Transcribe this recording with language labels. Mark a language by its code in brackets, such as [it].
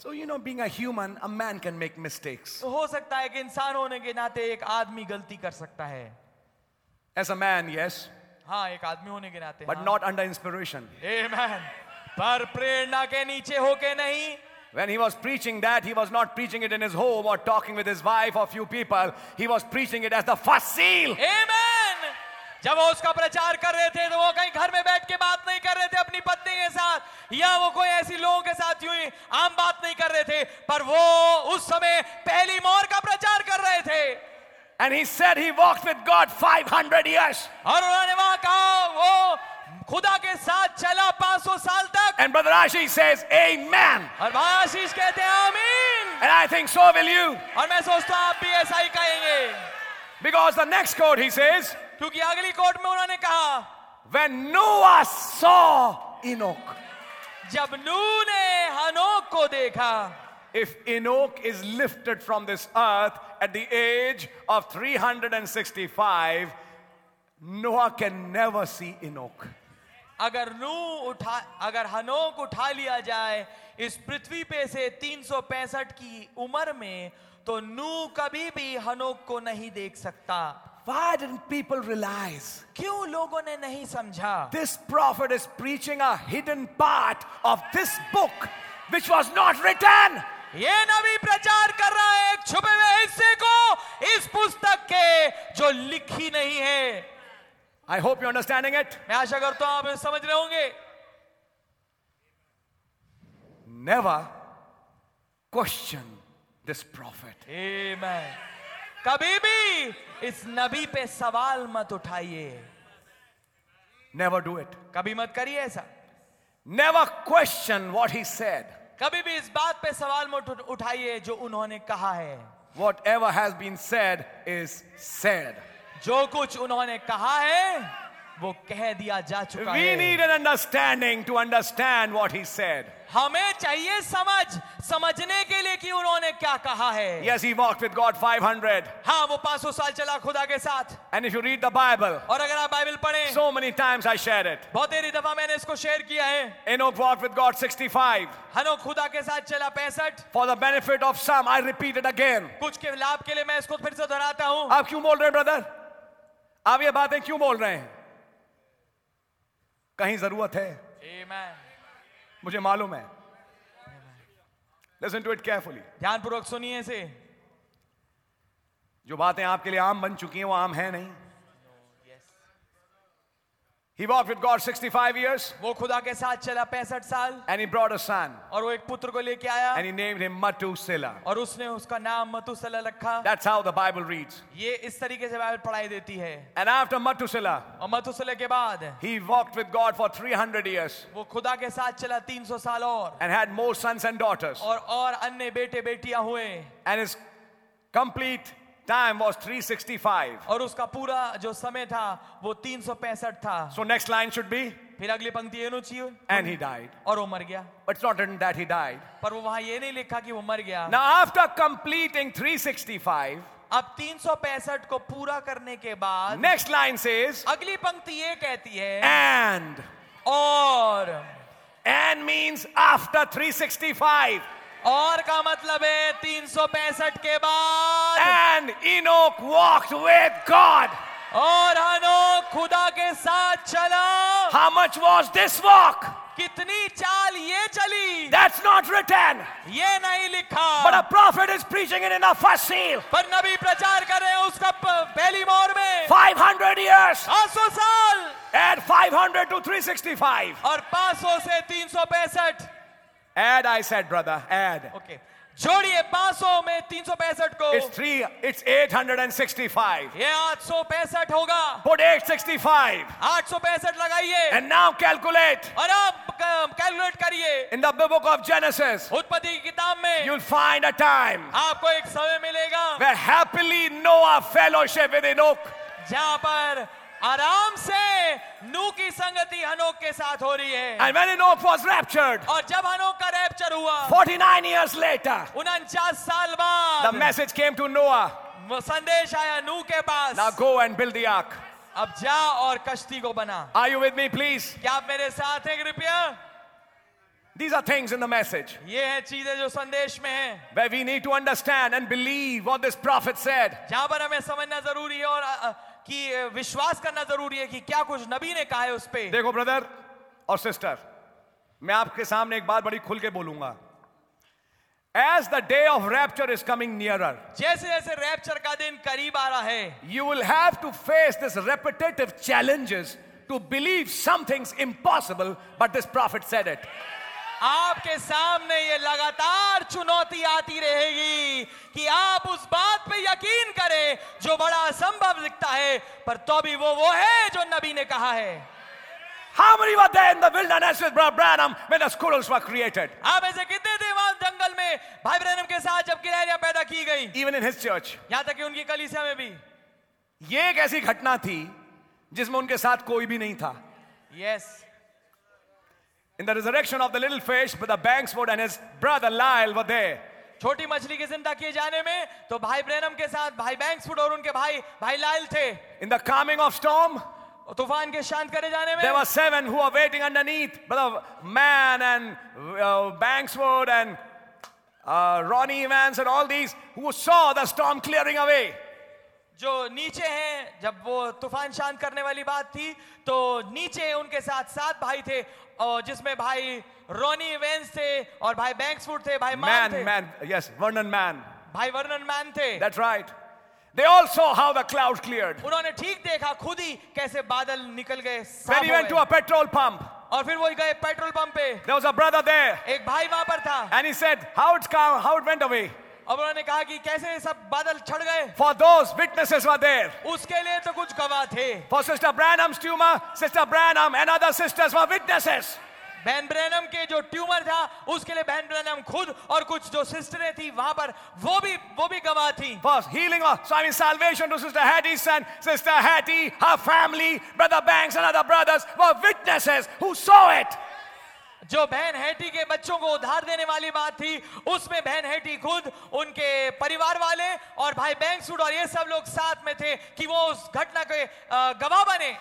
[en] So you know, being a human, a man can make mistakes. [hi] हो सकता है कि इंसान होने के नाते एक आदमी गलती कर सकता है. [en] As a man, yes. [hi] हाँ, एक आदमी होने के नाते. [en] But not under inspiration. Amen. [hi] पर प्रेरणा के नीचे होके नहीं. [en] When he was preaching that, he was not preaching it in his home or talking with his wife or few people. He was preaching it as the first seal. Amen. [hi] जब वो उसका प्रचार कर रहे थे तो वो कहीं घर में बैठ के बात नहीं कर रहे थे अपनी पत्नी के साथ या वो कोई ऐसी लोगों के साथ यूं ही आम बात नहीं कर रहे थे पर वो उस समय पहली मोहर का प्रचार कर रहे थे. [en] And he said he walked with God 500 years. [hi] और उन्होंने वहां कहा वो खुदा के साथ चला 500 साल तक. [en] And brother Asheesh says amen. [hi] और भाई आशीष कहते हैं आमीन. [en] And I think so will you. [hi] और मैं सोचता हूं आप भी ऐसा ही कहेंगे. [en] Because the next quote he says, [hi] क्योंकि अगली कोर्ट में उन्होंने कहा, [en] When Noah saw Enoch, [hi] जब नूह ने हनोक को देखा, [en] If Enoch is lifted from this earth at the age of 365, Noah can never see Enoch. [hi] अगर नूह उठा, अगर हनोक उठा लिया जाए इस पृथ्वी पे से 365 की उम्र में, तो नूह कभी भी हनोक को नहीं देख सकता. [en] Why didn't people realize? [hi] क्यों लोगों ने नहीं समझा? [en] This prophet is preaching a hidden part of this book, which was not written. [hi] ये नबी प्रचार कर रहा है एक छुपे हुए हिस्से को इस पुस्तक के जो लिखी नहीं है. [en] I hope you're understanding it. [hi] मैं आशा करता हूँ आप इसे समझ रहे होंगे. [en] Never question this prophet. Amen. [hi] कभी भी इस नबी पे सवाल मत उठाइए. [en] Never do it. [hi] कभी मत करिए ऐसा. [en] Never question what he said. [hi] कभी भी इस बात पे सवाल मत उठाइए जो उन्होंने कहा है. [en] Whatever has been said is said. [hi] जो कुछ उन्होंने कहा है वो कह दिया जा चुका है. [en] We need an understanding to understand what he said. [hi] हमें चाहिए समझ समझने के लिए कि उन्होंने क्या कहा है. [en] Yes, he walked with God 500. [hi] हाँ, वो 500 साल चला खुदा के साथ. [en] And if you read the Bible, [hi] और अगर आप बाइबल पढ़ें, [en] so many times I shared it. [hi] बहुत देरी दफा मैंने इसको शेयर किया है. [en] Enoch walked with God 65. [hi] हनोक खुदा के साथ चला 65. [en] For the benefit of some, I repeat it again. [hi] कुछ के लाभ के लिए मैं इसको फिर से दोहराता हूँ. आप क्यों बोल रहे हैं ब्रदर? आप ये बातें क्यों बोल रहे हैं? कहीं जरूरत है. [en] Amen. [hi] मुझे मालूम है. [en] Listen to it carefully. [hi] ध्यानपूर्वक सुनिए इसे. जो बातें आपके लिए आम बन चुकी हैं वो आम है नहीं. [en] He walked with God 65 years. [hi] वो खुदा के साथ चला 65 साल. [en] And he brought a son. [hi] और वो एक पुत्र को लेके आया. [en] And he named him Methuselah. [hi] और उसने उसका नाम मथुसला रखा. [en] That's how the Bible reads. [hi] ये इस तरीके से बाइबल पढ़ाई देती है. [en] And after Methuselah. [hi] और मथुसला के बाद. [en] He walked with God for 300 years. [hi] वो खुदा के साथ चला 300 साल और. [en] And had more sons and daughters. [hi] और अन्य बेटे बेटियां हुए. [en] And his complete time was 365. [hi] और उसका पूरा जो समय था वो 365 था. [en] So next line should be. [hi] फिर अगली पंक्ति ये नहीं चाहिए. [en] And he died. [hi] और वो मर गया. [en] But it's not written that he died. [hi] पर वो वहाँ ये नहीं लिखा कि वो मर गया. [en] Now after completing 365. [hi] अब 365 को पूरा करने के बाद. [en] Next line says. [hi] अगली पंक्ति ये कहती है. [en] And. [hi] और. [en] And means after 365. [hi] और का मतलब है 365 के बाद. [en] And Enoch walked with God. [hi] और हनोक खुदा के साथ चला. [en] How much was this walk? [hi] कितनी चाल ये चली. [en] That's not written. [hi] ये नहीं लिखा. [en] But a prophet is preaching it in the first seal. [hi] पर नबी प्रचार कर रहे हैं उसका पहली मोहर में. [en] 500 years. [hi] 800 साल. [en] Add 500 to 365. [hi] और 500 से 365. [en] Add, I said, brother, add. [hi] Okay. जोड़िए 500 में 365 को. [en] It's 865. [hi] ये 865 होगा. [en] Put 865. [hi] 865 लगाइए. [en] And now calculate. [hi] और अब calculate करिए. [en] In the book of Genesis. [hi] उत्पत्ति की किताब में. [en] You'll find a time. [hi] आपको एक समय मिलेगा. [en] Where happily Noah fellowship with Enoch. [hi] जहाँ पर आराम से नू की संगति हनोक के साथ हो रही है. [en] And when Enoch was raptured, [hi] और जब हनोक का रैप्चर हुआ, [en] 49 years later, [hi] 49 साल बाद, [en] the message came to Noah, [hi] संदेश आया नू के पास, [en] now go and build the ark, [hi] अब जा और कश्ती को बना. [en] Are you with me, please? [hi] क्या आप मेरे साथ हैं कृपया? [en] These are things in the message. [hi] ये हैं चीजें जो संदेश में हैं. [en] Where we need to understand and believe what this prophet said. [hi] जहाँ पर हमें समझना जरूरी है और कि विश्वास करना जरूरी है कि क्या कुछ नबी ने कहा है उस पे. देखो ब्रदर और सिस्टर, मैं आपके सामने एक बात बड़ी खुल के बोलूंगा. [en] As the day of rapture is coming nearer, [hi] जैसे जैसे रैप्चर का दिन करीब आ रहा है, [en] you will have to face this repetitive challenges to believe some things impossible, but this prophet said it. [hi] आपके सामने ये लगातार चुनौती आती रहेगी कि आप उस बात पे यकीन करें जो बड़ा असंभव दिखता है, पर तो भी वो है जो नबी ने कहा है. [en] How many were there in the wilderness with Brother Branham when the squirrels were created? [hi] आप ऐसे कितने थे वहाँ जंगल में भाई ब्रैनम के साथ जब गिलहरियां पैदा की गई? [en] Even in his church. [hi] यहाँ तक कि उनकी कलीसिया में भी. ये एक ऐसी घटना थी जिसमें उनके साथ कोई भी नहीं था. [en] Yes. In the resurrection of the little fish, but the Banksford and his brother Lyle were there. [hi] छोटी मछली के जिंदा किए जाने में तो भाई ब्रैनम के साथ भाई बैंक्सवुड और उनके भाई भाई लाइल थे. [en] In the calming of storm, [hi] तूफान के शांत करे जाने में, [en] there were seven who were waiting underneath, but the man and Banksford and Ronnie Evans and all these who saw the storm clearing away. [hi] जो नीचे हैं, जब वो तूफान शांत करने वाली बात थी तो नीचे उनके साथ सात भाई थे और जिसमें भाई रोनी वेंस थे और भाई बैंक्सफुट थे, भाई मैन थे. [en] Mann, yes, Vernon Mann. [hi] भाई वर्नन मैन थे. [en] That's right. They all saw how the cloud cleared. [hi] उन्होंने ठीक देखा खुद ही कैसे बादल निकल गए. [en] When he went to a petrol pump. [hi] और फिर वो गए पेट्रोल पंप पे. [en] There was a brother there. [hi] एक भाई वहां पर था. [en] And he said how it come how it went away. [hi] अब उन्होंने कहा कि कैसे सब बादल छड़ गए. [en] For those witnesses were there. [hi] उसके लिए तो कुछ गवाह थे. [en] For Sister Branham's tumor, Sister Branham and other sisters were witnesses. [hi] बहन ब्रैनम के जो ट्यूमर था उसके लिए बहन ब्रैनम खुद और कुछ जो सिस्टरें थी वहां पर वो भी गवाह थी. [en] First, healing of, so I mean, salvation to Sister Hattie's son, Sister Hattie, her family, Brother Banks and other brothers were witnesses who saw it. [hi] जो बहन हैटी के बच्चों को उधार देने वाली बात थी उसमें बहन हैटी खुद, उनके परिवार वाले और भाई बैंक्सवुड और ये सब लोग साथ में थे कि वो उस घटना के गवाह बने.